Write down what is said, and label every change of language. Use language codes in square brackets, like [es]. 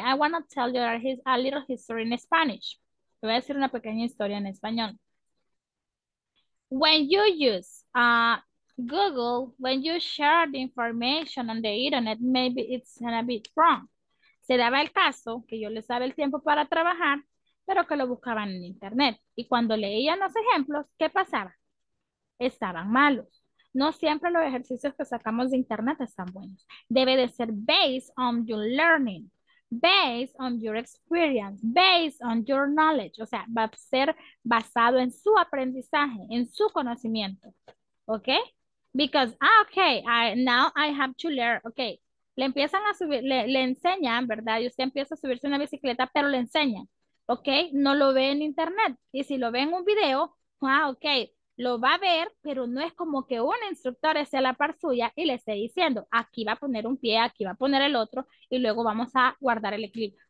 [en] I want to tell you a little history in Spanish. [es] Le voy a decir una pequeña historia en español. [en] When you use Google, when you share the information on the internet, maybe it's gonna be wrong. [es] Se daba el caso que yo les daba el tiempo para trabajar, pero que lo buscaban en internet. Y cuando leían los ejemplos, ¿qué pasaba? Estaban malos. No siempre los ejercicios que sacamos de internet están buenos. Debe de ser [en] based on your learning, based on your experience, based on your knowledge. [es] O sea, va a ser basado en su aprendizaje, en su conocimiento. [en] Okay, because I have to learn. [es] Okay, le empiezan a subir, le enseñan, ¿verdad? Y usted empieza a subirse una bicicleta, pero le enseñan. Okay, no lo ve en internet. Y si lo ve en un video, okay, lo va a ver, pero no es como que un instructor esté a la par suya y le esté diciendo, aquí va a poner un pie, aquí va a poner el otro, y luego vamos a guardar el equilibrio.